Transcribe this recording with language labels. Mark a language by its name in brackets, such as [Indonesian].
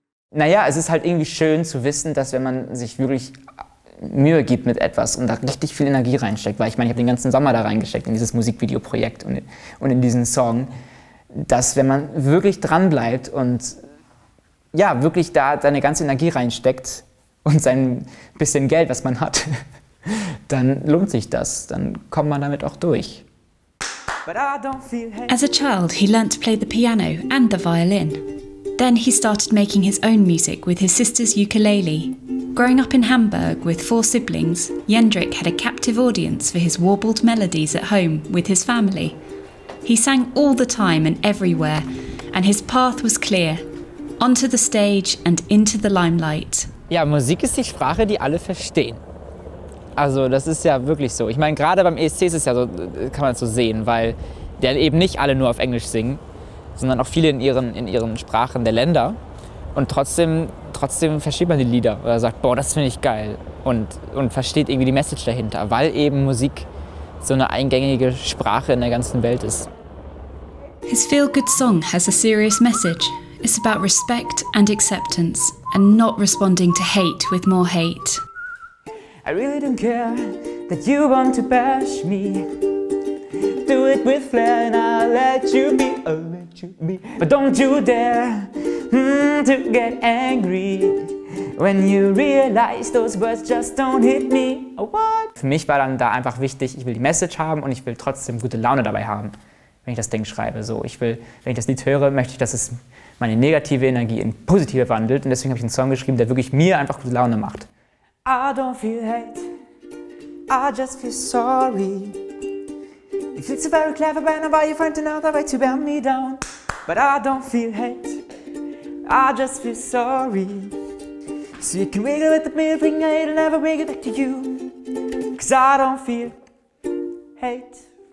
[German] Naja, es ist halt irgendwie schön zu wissen, dass wenn man sich wirklich Mühe gibt mit etwas und da richtig viel Energie reinsteckt, weil ich meine, ich habe den ganzen Sommer da reingesteckt in dieses Musikvideoprojekt und in diesen Song, dass wenn man wirklich dran bleibt und ja, wirklich da seine ganze Energie reinsteckt und sein bisschen Geld, was man hat, dann lohnt sich das, dann kommt man damit auch durch. [English] As a child, he learned to play the piano and the violin. Then he started making his own music with his sister's ukulele. Growing up in Hamburg with four siblings, Jendrik had a captive audience for his warbled melodies at home with his family. He sang all the time and everywhere, and his path was clear. Onto the stage and into the limelight. [German] Ja, Musik ist die Sprache, die alle verstehen. Also das ist ja wirklich so. Ich meine, gerade beim ESC ist es ja so, kann man es so sehen, weil der eben nicht alle nur auf Englisch singen, sondern auch viele in ihren Sprachen der Länder. Und trotzdem versteht man die Lieder oder sagt, boah, das finde ich geil. Und versteht irgendwie die Message dahinter, weil eben Musik so eine eingängige Sprache in der ganzen Welt ist. [English] His feel-good song has a serious message. It's about respect and acceptance and not responding to hate with more hate. I really don't care that you want to bash me. Do it with flair and I'll let you be. But don't you dare to get angry. when you realize those words just don't hit me. Oh, what? [German] Für mich war dann da einfach wichtig, ich will die Message haben und ich will trotzdem gute Laune dabei haben, wenn ich das Ding schreibe. So, ich will, wenn ich das Lied höre, möchte ich, dass es meine negative Energie in positive wandelt. Und deswegen habe ich einen Song geschrieben, der wirklich mir einfach gute Laune macht. [English] I don't feel hate, I just feel sorry. It feels so very clever, but now you find another way to bend me down. But I don't feel hate, I just feel sorry. So you can wiggle with the middle finger, it'll never wiggle back to you. Cause I don't feel hate.